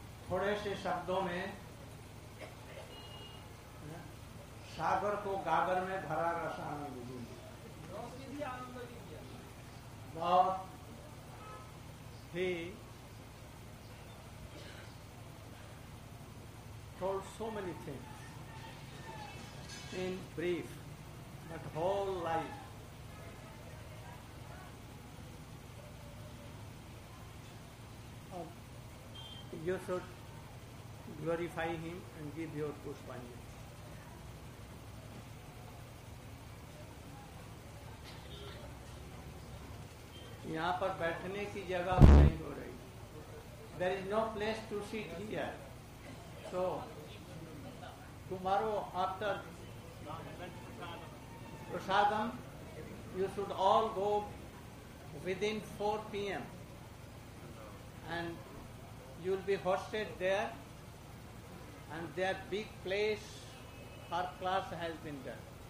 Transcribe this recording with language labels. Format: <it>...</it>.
<hi>थोड़े से शब्दों में सागर को गागर में भरा रसा में बुझूंगी, बहुत ही</hi> <en>told so many things in brief, but whole life. You should glorify him and give your Pushpanjali.</en> <hi>यहाँ पर बैठने की जगह नहीं हो रही.</hi> <en>There is no place to sit here. So tomorrow after prasadam, you should all go within 4 p.m. and you will be hosted there. And their big place for class has been done.</en>